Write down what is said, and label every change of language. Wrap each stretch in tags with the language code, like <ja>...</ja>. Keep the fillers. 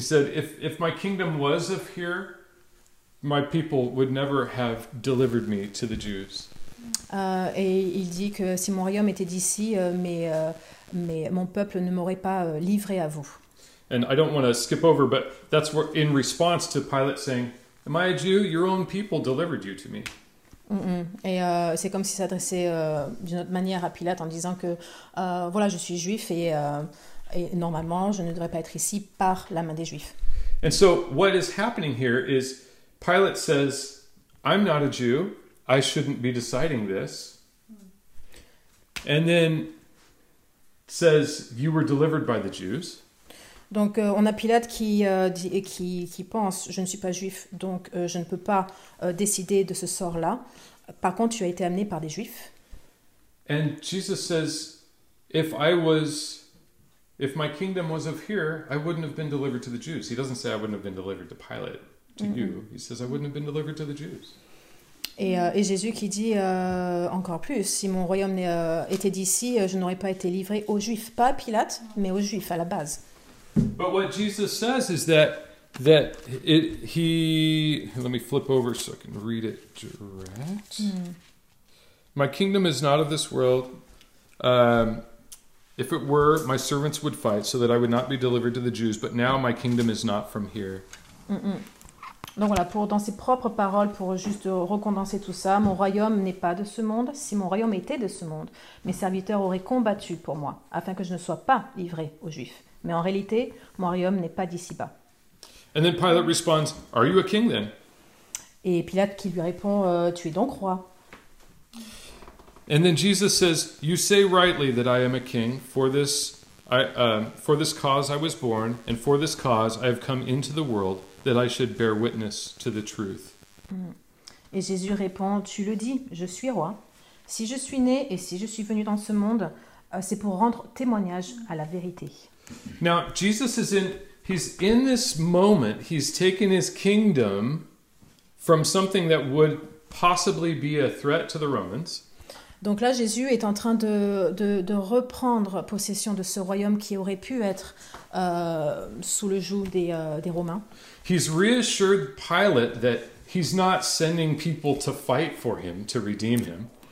<en>said, if, if my kingdom was of here, my people would never have delivered me to the Jews.</en> <fr>Uh, et il dit que si mon royaume était d'ici, uh, mais, uh, mais mon peuple ne m'aurait pas livré à vous.</fr> <en>And I don't want to skip over, but that's where, in response to Pilate saying, am I a Jew? Your own people delivered you to me. Mm -mm.</en> <fr>Et euh, c'est comme s'il s'adressait euh, d'une autre manière à Pilate en disant que euh, voilà, je suis juif et, et, normalement, je ne devrais pas être ici par la main des juifs. ce qui se</fr> <en>is happening</en> <fr>c'est que</fr> <en>Pilate says, I'm not a Jew, I shouldn't be deciding this. And then says, you were delivered by the Jews.</en> <fr>Donc, euh, on a Pilate qui, euh, dit, et qui, qui pense Je ne suis pas juif, donc euh, je ne peux pas décider de ce sort-là. Par contre, tu as été amené par des juifs.</fr> <en>And Jesus says, if I was. If my kingdom was of here, I wouldn't have been delivered to the Jews. He doesn't say I wouldn't have been delivered to Pilate, to you. Mm -hmm. He says I wouldn't have been delivered to the Jews.</en> <fr>Et, euh, et Jésus qui dit encore plus, si mon royaume n'était d'ici, je n'aurais pas été livré aux Juifs. Pas à Pilate, mais aux Juifs à la base.</fr> <en>But what Jesus says is that that it, he let me flip over so I can read it direct. Mm. My kingdom is not of this world. Um, if it were, my servants would fight so that I would not be delivered to the Jews. But now my kingdom is not from here. Mm -hmm.</en> <fr>Donc voilà, pour dans ses propres paroles, pour juste recondenser tout ça, mon royaume n'est pas de ce monde. Si mon royaume était de ce monde, mes serviteurs auraient combattu pour moi, afin que je ne sois pas livré aux Juifs. Mais en réalité, mon n'est pas d'ici-bas.</fr> <en>And then Pilate responds, Are you a king then?</en> <fr>Et Pilate qui lui répond, Tu es donc roi.</fr> <en>And then Jesus says, You say rightly that I am a king for this. I, uh, for this cause I was born, and for this cause I have come into the world, that I should bear witness to the truth.</en> <fr>Et Jésus répond, tu le dis, je suis roi. Si je suis né et si je suis venu dans ce monde, c'est pour rendre témoignage à la vérité.</fr> <en>Now, Jesus is in, he's in this moment, he's taken his kingdom from something that would possibly be a threat to the Romans.</en> <fr>Donc là, Jésus est en train de, de, de reprendre possession de ce royaume qui aurait pu être euh, sous le joug des, euh, des Romains.</fr> <en>He's reassured Pilate that he's not sending people to fight for him to redeem him.</en>